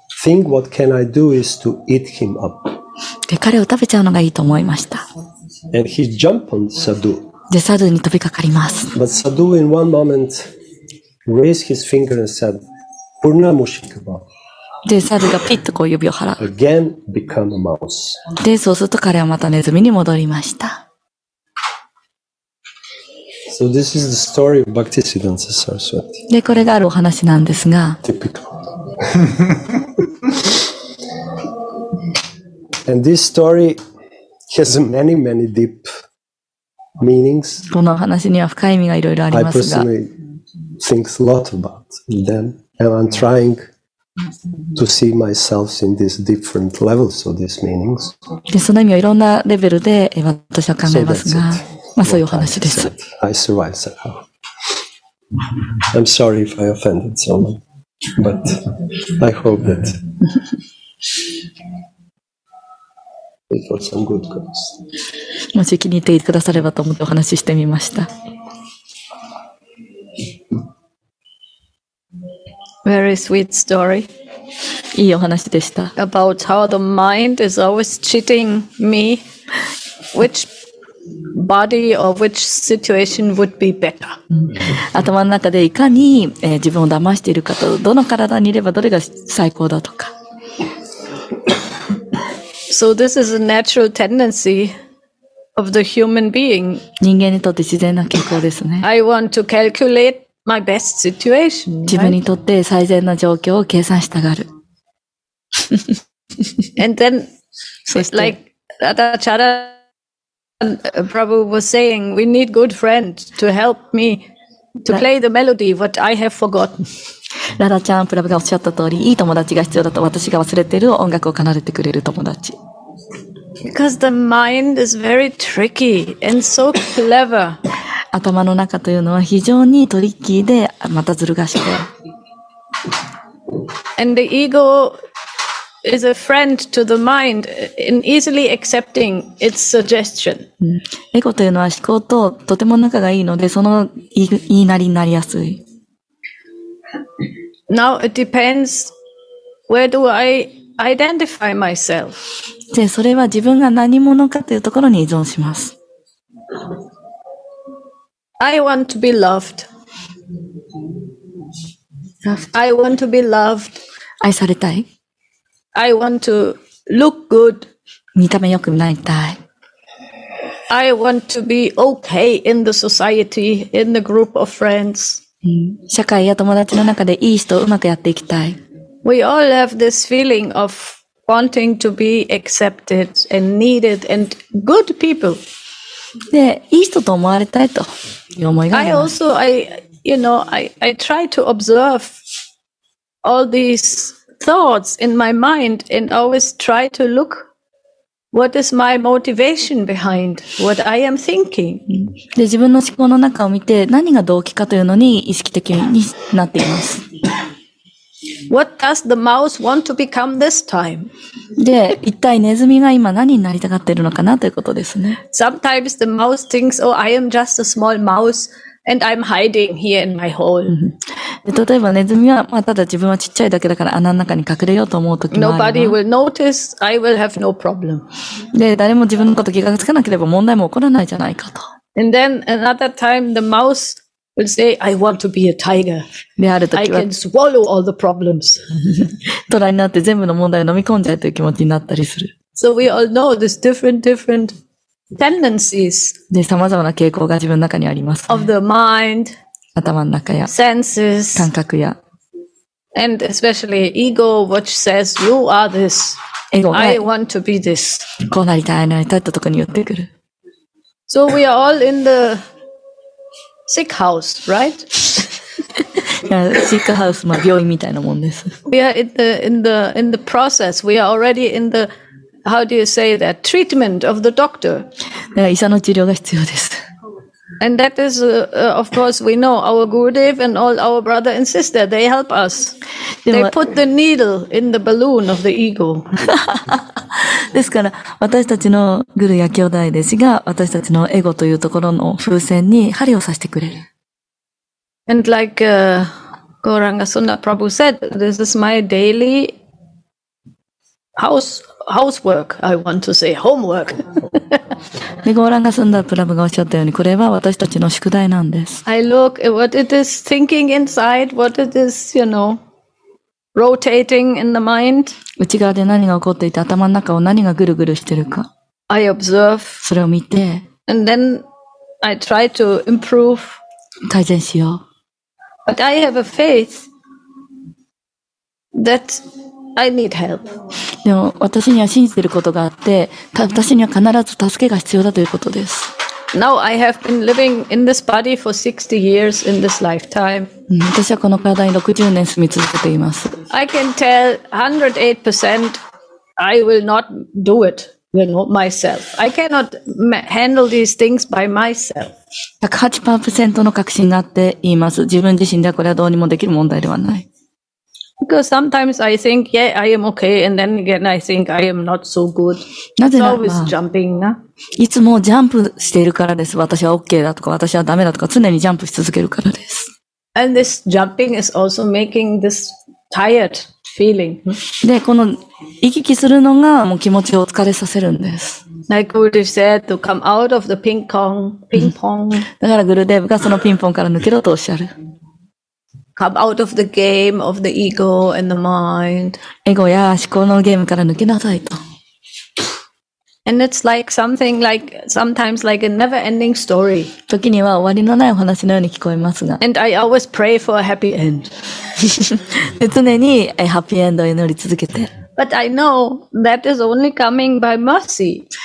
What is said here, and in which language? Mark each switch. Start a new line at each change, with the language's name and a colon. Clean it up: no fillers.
English: Think what can I do is to eat him up.
Japanese: で彼を食べちゃうのがいいと思いました。
English: And he jumped on Sadhu.
Japanese: でサドゥに飛びかかります。
English: But Sadhu in one moment raised his finger and said, "Purna Mushikba."
Japanese: でサドゥがピッとこう指を払う。
English: Again become a mouse.
Japanese: でそうすると彼はまたネズミに戻りました。
English: So this is the story of Bhaktisiddhanta Saraswati.
Japanese: でこれがあるお話なんですが。
English: Typical. And this story has many, many deep meanings.
Japanese: この話には深い意味がいろいろありますが、
English: I personally think a lot about them, and I'm trying to see myself in these different levels of these meanings.
Japanese: で、その意味をいろんなレベルで私は考えますが、まあそういう話です。
English: I survived somehow. I'm sorry if I offended someone, but I hope that. For some good cause.
Japanese: もし気に入ってくださればと思ってお話ししてみました。
English: Very sweet story.
Japanese: いいお話でした。
English: About how the mind is always cheating me. Which body or which situation would be better?
Japanese: 頭の中でいかに、自分を騙しているかと、どの体にいればどれが最高だとか。
English: So this is a natural tendency of the human being.
Japanese: 人間にとって自然な傾向ですね。
English: I want to calculate my best situation.
Japanese: 自分にとって最善な状況を計算したがる。
English: And then, like Radha Chara Prabhu was saying, we need good friends to help me to play the melody what I have forgotten.
Japanese: Radha Chara Prabhu がおっしゃった通り、いい友達が必要だと私が忘れている音楽を奏でてくれる友達。
English: Because the mind is very tricky and so clever.
Japanese: 頭の中というのは非常にトリッキーで、またずる賢い。
English: And the ego is a friend to the mind in easily accepting its suggestion.
Japanese: エゴというのは思考ととても仲がいいので、その言いなりになりやすい。
English: Now it depends where do I identify myself?
Japanese: で、それは自分が何者かというところに依存します。
English: I want to be loved. I want to be loved.
Japanese: 愛されたい。
English: I want to look good.
Japanese: 見た目よくなりたい。
English: I want to be okay in the society, in the group of friends.
Japanese: 社会や友達の中でいい人をうまくやっていきたい。
English: We all have this feeling ofWanting to be accepted and needed and good people.
Japanese: で、いい人と思われたいと、いう思いがあります。
English: I try to observe all these thoughts in my mind and always try to look what is my motivation behind what I am thinking.
Japanese: で、自分の思考の中を見て、何が動機かというのに意識的になっています。
English: What does the mouse want to become this time?
Japanese: で、一体ネズミが今何になりたがっているのかなということですね。
English: Sometimes the mouse thinks, oh, I am just a small mouse. And I'm hiding here in my hole.
Japanese: で、例えばネズミは、まあ、ただ自分はちっちゃいだけだから穴の中に隠れようと思うときもあれば。
English: Nobody will notice. I will have no problem.
Japanese: で、誰も自分のこと気がつかなければ問題も起こらないじゃないかと。
English: And then another time, the mouse will say, I want to be a tiger.
Japanese: であるときは。
English: I can swallow all the problems.
Japanese: 虎になって全部の問題を飲み込んじゃうという気持ちになったりする。
English: So we all know this different tendencies.
Japanese: で、さまざまな傾向が自分の中にあります、ね。
English: Of the mind.
Japanese: 頭の中や
English: senses,
Japanese: 感覚や
English: and especially ego, which says, you are this. Ego, I want to be this.
Japanese: こうなりたい、なりたいってところに寄ってくる。
English: So we are all in the sick house, right? Sick house,
Japanese: まあ病院みたいなもんです。
English: We are in the process. We are already in the, how do you say that, treatment of the doctor.
Japanese: だから医者の治療が必要です。
English: And that is, of course, we know our Gurudev and all our brother and sister, they help us. They put the needle in the balloon of the ego.
Japanese: ですから、私たちのグルや兄弟弟子が私たちのエゴというところの風船に針を刺してくれる。
English: And like, Gauranga Sundar Prabhu said, this is my daily housework, I want to say, homework.
Japanese: で、ゴーランガスンダープラブがおっしゃったように、これは私たちの宿題なんです。
English: I look at what it is thinking inside, what it is, you know, rotating in the mind.
Japanese: 内側で何が起こっていて、頭の中を何がぐるぐるしてるか。
English: I observe.
Japanese: それを見て。
English: And then I try to improve.
Japanese: 改善しよう。
English: But I have a faith that I need help.
Japanese: でも私には信じていることがあって、私には必ず助けが必要だということです。
English: Now I have been living in this body for 60 years in this lifetime.
Japanese: 私はこの体に60年住み続けています。
English: I can tell 108% I will not do it, you know, myself. I cannot handle these things by myself.
Japanese: 108% の確信があって言います。自分自身ではこれはどうにもできる問題ではない。
English: Because sometimes I think, yeah, I am okay, and then again I think I am not so good. It's always jumping, na?
Japanese: いつもジャンプしているからです。私は OK だとか、私はダメだとか、常にジャンプし続けるからです。
English: And this jumping is also making this tired feeling.
Japanese: で、この行き来するのがもう気持ちを疲れさせるんです。
English: Like Gurudev said, to come out of the ping pong.
Japanese: だからグルデーブがそのピンポンから抜けろとおっしゃる。
English: Come out of the game of the ego and the mind.
Japanese: エゴや思考のゲームから抜けなさいと。
English: And it's like something like sometimes like a never-ending story.
Japanese: 時には終わりのないお話のように聞こえますが。
English: And I always pray for a happy end.
Japanese: 常にハッピーエンドを祈り続けて。
English: But I know that is only coming by mercy.